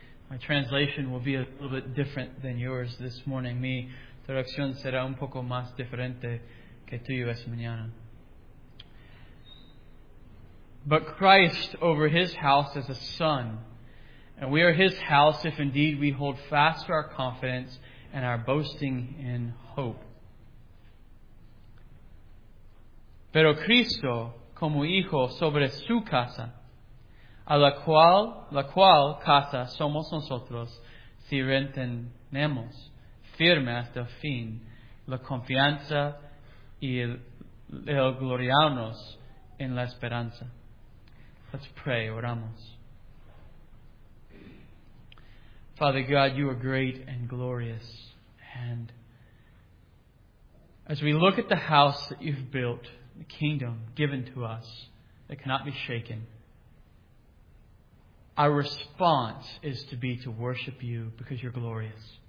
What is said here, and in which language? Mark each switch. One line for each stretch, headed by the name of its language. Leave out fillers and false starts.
English: My translation will be a little bit different than yours this morning.
Spanish: Mi traducción será un poco más diferente que tuyo esta mañana.
English: But Christ over his house is a son, and we are his house if indeed we hold fast to our confidence and our boasting in hope.
Spanish: Pero Cristo como hijo sobre su casa, a la cual casa somos nosotros, si retenemos firme hasta el fin la confianza y el gloriarnos en la esperanza.
English: Let's pray,
Spanish: oramos.
English: Father God, you are great and glorious. And as we look at the house that you've built, the kingdom given to us that cannot be shaken, our response is to be to worship you because you're glorious.